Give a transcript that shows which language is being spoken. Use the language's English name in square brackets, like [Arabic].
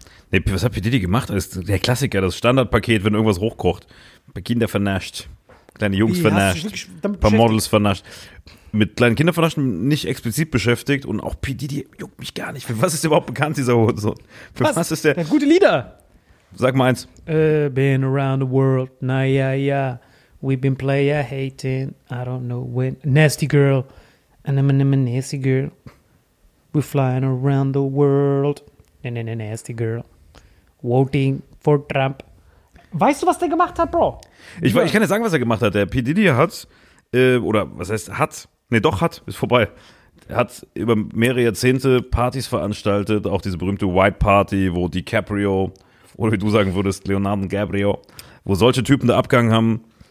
[German] Nee, was hat P. Diddy gemacht? Das ist der Klassiker, das Standardpaket, wenn irgendwas hochkocht. Kinder vernascht, kleine Jungs vernascht, paar Models vernascht. Mit kleinen Kindern vernascht, nicht explizit beschäftigt und auch P. Diddy juckt mich gar nicht. Für was ist der überhaupt bekannt, dieser Hurensohn? Für was ist der? Gute Lieder. Sag mal eins. [English] Been around the world, [German] na ja, ja. [English] We've been player hating, I don't know when. Nasty Girl, And I'm a nasty girl. We're flying around the world. And I'm a nasty girl. Voting for Trump. [German] Weißt du, was der gemacht hat, Bro? Ich kann dir sagen, was er gemacht hat. Der P. Diddy hat, oder was heißt hat? Nee, doch hat, ist vorbei. Hat über mehrere Jahrzehnte Partys veranstaltet, auch diese berühmte White Party, wo DiCaprio, oder wie du sagen würdest, Leonardo DiCaprio, wo solche Typen da abgegangen haben.